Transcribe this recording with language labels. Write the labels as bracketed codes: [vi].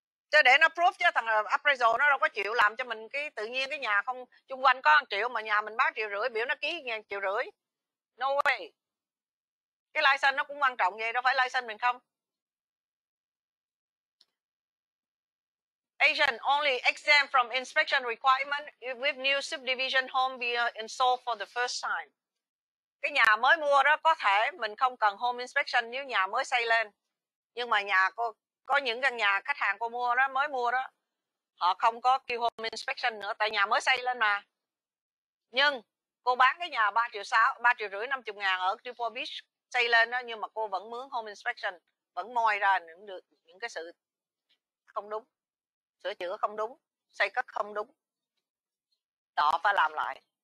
[vi] Chứ để nó proof chứ thằng appraisal nó đâu có chịu làm cho mình cái tự nhiên cái nhà không chung quanh có 1 triệu mà nhà mình bán 1.5 triệu, biểu nó ký 1.5 triệu. [en] No way. [vi] Cái license nó cũng quan trọng vậy, đâu phải license mình không. [en] Agent only exempt from inspection requirement with new subdivision home being installed for the first time. [vi] Cái nhà mới mua đó có thể mình không cần home inspection nếu nhà mới xây lên. Nhưng mà nhà có những căn nhà khách hàng cô mua đó, mới mua đó, họ không có kêu home inspection nữa tại nhà mới xây lên mà. Nhưng cô bán cái nhà 3,6 triệu, 3,5 triệu 50 ngàn ở Triple Beach xây lên đó, nhưng mà cô vẫn mướn home inspection, vẫn moi ra những cái sự không đúng, sửa chữa không đúng, xây cất không đúng, đó phải làm lại.